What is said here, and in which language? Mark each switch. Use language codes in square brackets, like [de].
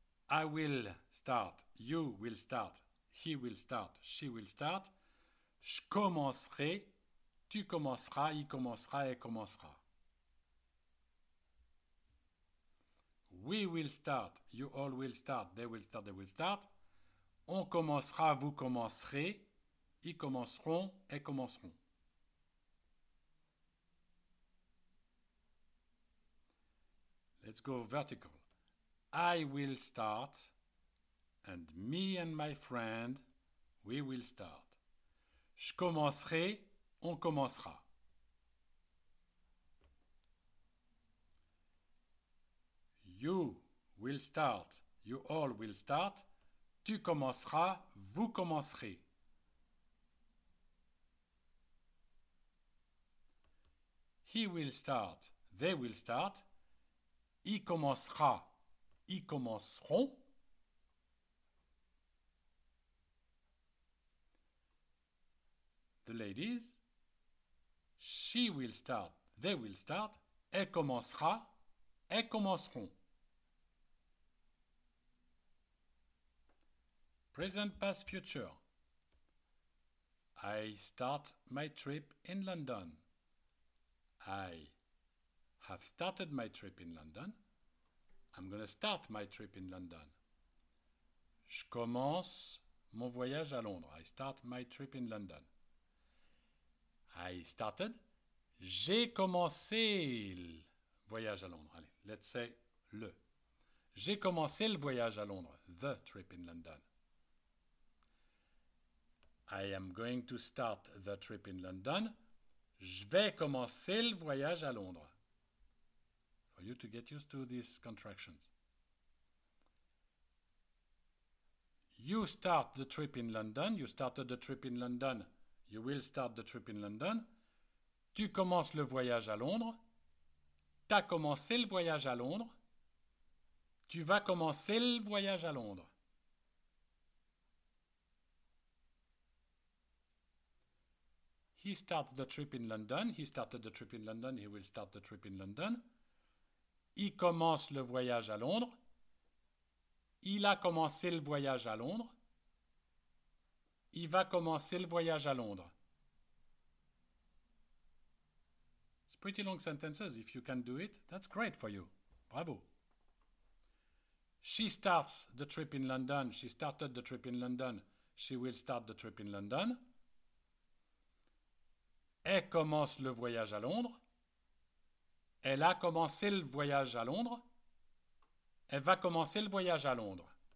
[en] I will start, you will start, he will start, she will start. [fr] Je commencerai, tu commenceras, il commencera, elle commencera. [en] We will start, you all will start, they will start, they will start. [fr] On commencera, vous commencerez, ils commenceront, elles commenceront. [en] Let's go vertical. I will start, and me and my friend, we will start. [fr] Je commencerai, on commencera. [en] You will start, you all will start. [fr] Tu commenceras, vous commencerez. [en] He will start, they will start. [fr] Il commencera, ils commenceront. [en] The ladies, she will start, they will start. [fr] Elle commencera, elles commenceront. [en] Present, past, future. I start my trip in London. I have started my trip in London. I'm going to start my trip in London. [fr] Je commence mon voyage à Londres. [en] I start my trip in London. I started. [fr] J'ai commencé le voyage à Londres. Allez, [en] let's say [fr] le. J'ai commencé le voyage à Londres. [en] The trip in London. I am going to start the trip in London. [fr] Je vais commencer le voyage à Londres. [en] For you to get used to these contractions. You start the trip in London. You started the trip in London. You will start the trip in London. [fr] Tu commences le voyage à Londres. T'as commencé le voyage à Londres. Tu vas commencer le voyage à Londres. [en] He starts the trip in London. He started the trip in London. He will start the trip in London. [fr] Il commence le voyage à Londres. Il a commencé le voyage à Londres. Il va commencer le voyage à Londres. [en] It's pretty long sentences. If you can do it, that's great for you. Bravo. She starts the trip in London. She started the trip in London. She will start the trip in London. [fr] Elle commence le voyage à Londres. Elle a commencé le voyage à Londres. Elle va commencer le voyage à Londres.